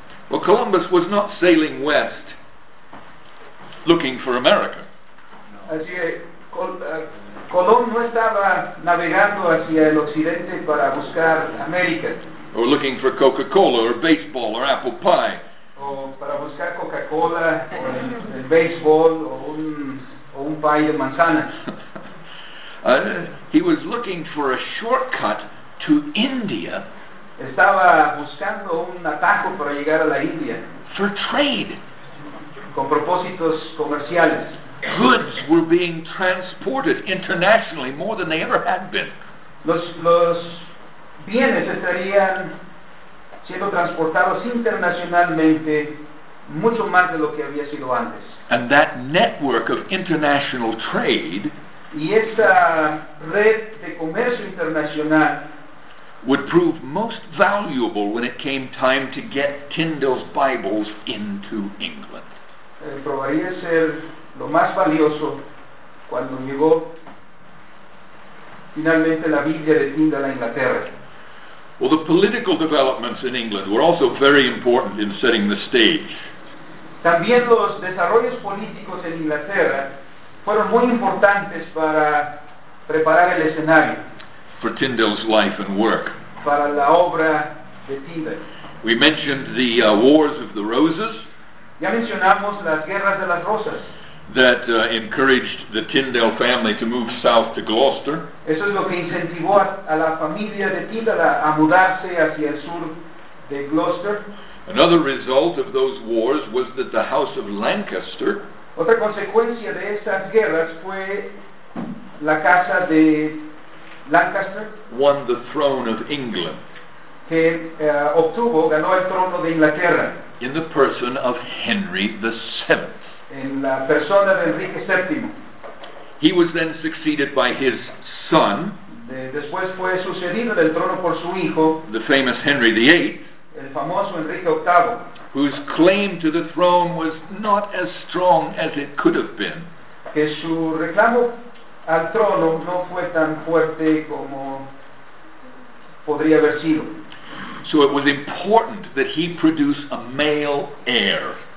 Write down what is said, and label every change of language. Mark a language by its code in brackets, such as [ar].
[en] Well, Columbus was not sailing west looking for America. [es] Así que Colón no estaba navegando hacia el occidente para buscar América. [en] Or looking for Coca-Cola or baseball or apple pie. [es] O para buscar Coca-Cola o el baseball o un pie de manzana. [en] He was looking for a shortcut to India. [es] Estaba buscando un atajo para llegar a la India. [en] For trade. [es] Con propósitos comerciales. [en] Goods were being transported internationally more than they ever had been. [es] Los bienes estarían siendo transportados internacionalmente mucho más de lo que había sido antes. [en] And that network of international trade, [es] y esa red de comercio internacional, [en] would prove most valuable when it came time to get Tyndale's Bibles into England. [es] Probaría ser lo más valioso cuando llegó finalmente la Biblia de Tyndale a Inglaterra. [en] Well, the political developments in England were also very important in setting the stage. [es] También los desarrollos políticos en Inglaterra fueron muy importantes para preparar el escenario. [en] For Tyndale's life and work. [es] Para la obra de Tyndale. [en] We mentioned the Wars of the Roses. [es] Ya mencionamos las Guerras de las Rosas. [en] That encouraged the Tyndale family to move south to Gloucester. [es] Eso es lo que incentivó a la familia de Tyndale a mudarse hacia el sur de Gloucester. [en] Another result of those wars was that the House of Lancaster. [es] Otra consecuencia de esas guerras fue la casa de Lancaster [en] won the throne of England. [es] Que obtuvo, ganó el trono de Inglaterra. [en] In the person of Henry the Seventh. [es] En la persona de Enrique VII. [en] He was then succeeded by his son. [es] Después fue sucedido del trono por su hijo. [en] The famous Henry the Eighth. [es] El famoso Enrique VIII. [en] Whose claim to the throne was not as strong as it could have been. [es] Que su reclamo al trono no fue tan fuerte como podría haber sido. [en] So it was important that he produce a male heir.